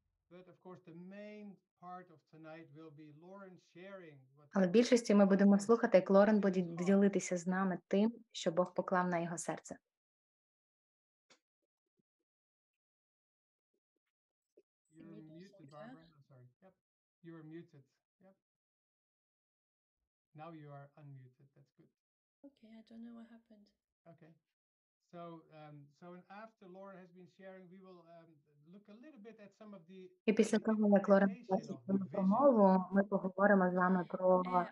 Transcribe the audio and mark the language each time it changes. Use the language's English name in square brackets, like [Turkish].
[English] But of course, the main part of tonight will be Lauren sharing. [Ukrainian] Але в більшості ми будемо слухати, як Лорен буде ділитися з нами тим, що Бог поклав на його серце. [English] You're muted, Barbara. I'm sorry. Yep. You were muted. Yep. Now you are unmuted. That's good. Okay, I don't know what happened. Okay. So after Lauren has been sharing, we will look a little bit at some of the. [Ukrainian] І після того, як Лорен почала промову, ми поговоримо з вами про